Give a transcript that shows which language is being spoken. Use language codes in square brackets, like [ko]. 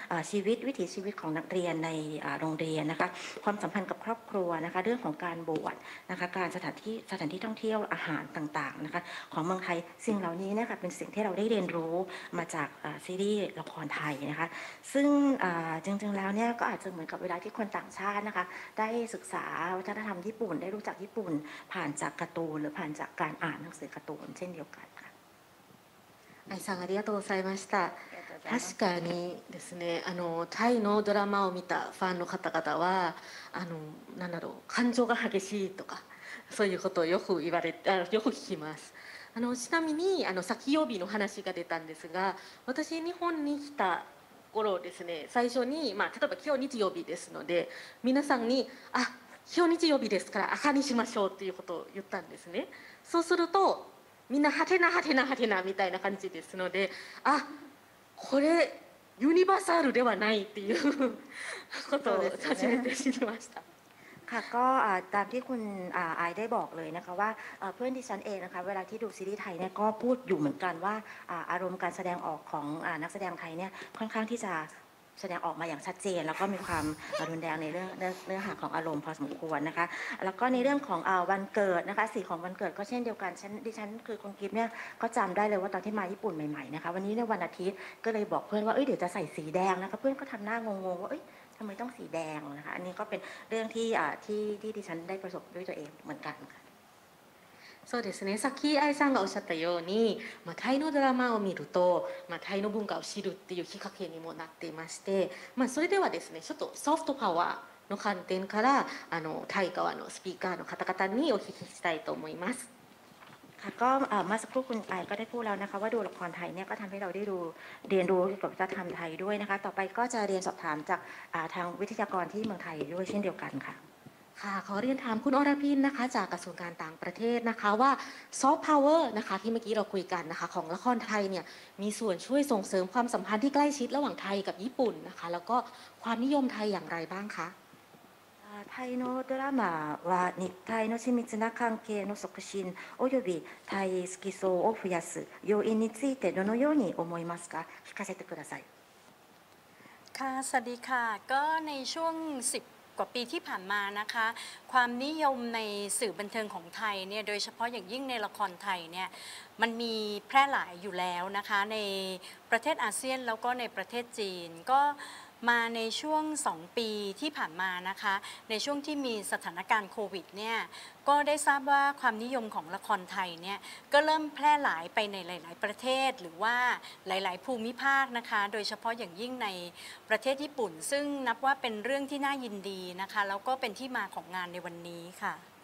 [th] ชีวิตวิถีชีวิตของนักเรียนในโรงเรียนนะคะความสัมพันธ์กับครอบครัวนะคะเรื่องของการบวชนะคะการสถานที่ท่องเที่ยวอาหารต่างๆนะคะของเมืองไทยสิ่งเหล่านี้นะคะเป็นสิ่งที่เราได้เรียนรู้มาจากซีรีส์ละครไทยนะคะซึ่งจริงๆแล้วเนี่ยก็อาจจะเหมือนกับเวลาที่คนต่างชาตินะคะได้ศึกษาวัฒนธรรมญี่ปุ่นได้รู้จักญี่ปุ่นผ่านจากการ์ตูนหรือผ่านจากการอ่านหนังสือการ์ตูนเช่นเดียวกันค่ะ [ja] ไอซังありがとうございました確かにですねタイのドラマを見たファンの方々は何だろう感情が激しいとかそういうことをよく聞きますちなみに先曜日の話が出たんですが私日本に来た頃ですね最初に、まあ、例えば今日日曜日ですので皆さんにあ今日日曜日ですから赤にしましょうということを言ったんですねそうするとみんなハテナハテナハテナみたいな感じですのであこれユニバーサルではないっていうことを初めて知りました [th] ค่ะก็ตามที่คุณไอได้บอกเลยนะคะว่าเพื่อนดิฉันเองนะคะเวลาที่ดูซีรีส์ไทยเนี่ยก็พูดอยู่เหมือนกันว่าอารมณ์การแสดงออกของนักแสดงไทยเนี่ยค่อนข้างที่จะ แสดงออกมาอย่างชัดเจนแล้วก็มีความรุนแรงในเนื้อหาของอารมณ์พอสมควรนะคะแล้วก็ในเรื่องของวันเกิดนะคะสีของวันเกิดก็เช่นเดียวกันดิฉันคือคุณกิฟต์เนี่ยก็จำได้เลยว่าตอนที่มาญี่ปุ่นใหม่ๆนะคะวันนี้ในวันอาทิตย์ก็เลยบอกเพื่อนว่าเอ้ยเดี๋ยวจะใส่สีแดงนะคะเพื่อนก็ทำหน้างงๆว่าเอ้ยทำไมต้องสีแดงนะคะอันนี้ก็เป็นเรื่องที่ดิฉันได้ประสบด้วยตัวเองเหมือนกันค่ะ そうですね。さっきアイさんがおっしゃったように、まあ、タイのドラマを見ると、まあ、タイの文化を知るっていうきっかけにもなっていまして、まあ、それではですね、ちょっとソフトパワーの観点からタイ側のスピーカーの方々にお聞きしたいと思います。 ค่ะก็มาสักครู่คุณไอก็ได้พูดแล้วนะคะว่าดูละครไทยเนี่ยก็ทำให้เราได้ดูเรียนรู้เกี่ยวกับวัฒนธรรมไทยด้วยนะคะต่อไปก็จะเรียนสอบถามจากทางวิทยากรที่เมืองไทยด้วยเช่นเดียวกันค่ะ ค่ะขอเรียนถามคุณอรพินนะคะจากกระทรวงการต่างประเทศนะคะว่าซอฟต์พาวเวอร์นะคะที่เมื่อกี้เราคุยกันนะคะของละครไทยเนี่ยมีส่วนช่วยส่งเสริมความสัมพันธ์ที่ใกล้ชิดระหว่างไทยกับญี่ปุ่นนะคะแล้วก็ความนิยมไทยอย่างไรบ้างคะ [ja] ไทยのドラマは日タイの親密な関係の促進およびタイ好き層を増やす要因についてどのように思いますか聞かせてください [th] ค่ะสวัสดีค่ะก็ในช่วง10 กว่าปีที่ผ่านมานะคะความนิยมในสื่อบันเทิงของไทยเนี่ยโดยเฉพาะอย่างยิ่งในละครไทยเนี่ยมันมีแพร่หลายอยู่แล้วนะคะใน ประเทศอาเซียนแล้วก็ในประเทศจีนก็มาในช่วง2ปีที่ผ่านมานะคะในช่วงที่มีสถานการณ์โควิดเนี่ยก็ได้ทราบว่าความนิยมของละครไทยเนี่ยก็เริ่มแพร่หลายไปในหลายๆประเทศหรือว่าหลายๆภูมิภาคนะคะโดยเฉพาะอย่างยิ่งในประเทศญี่ปุ่นซึ่งนับว่าเป็นเรื่องที่น่ายินดีนะคะแล้วก็เป็นที่มาของงานในวันนี้ค่ะ